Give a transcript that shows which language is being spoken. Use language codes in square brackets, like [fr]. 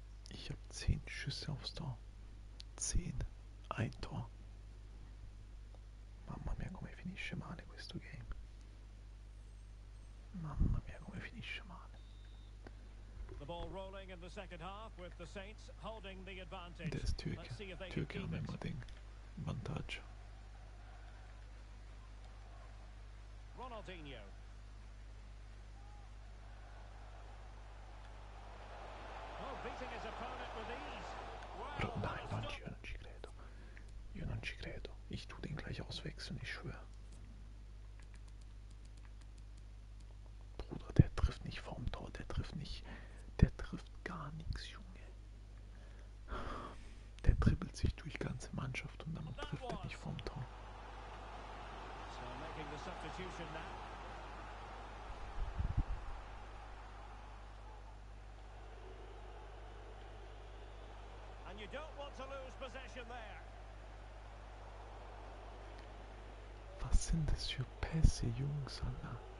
[de] Ich habe 10 Schüsse aufs Tor. 10. Ein Tor. [it] Mamma mia, come finisce male questo game. Mamma mia, come finisce male. [en] The ball rolling in the second half with the Saints holding the advantage. Let's see if they Türke can keep it. [it] Vantaggio. Ronaldinho. [en] Oh, beating his opponent with ease. Wow, [de] nein, Mann, [it] io non ci credo. Io non ci credo. [de] Ich tu den gleich auswechseln, ich schwöre. Bruder, der trifft nicht vorm Tor, der trifft nicht. Gar nichts, Junge. Der dribbelt sich durch ganze Mannschaft und dann trifft er nicht vom Tor. [en] So making the substitution now. And you don't want to lose possession there. [de] Was sind das für Pässe, Jungs, Alter?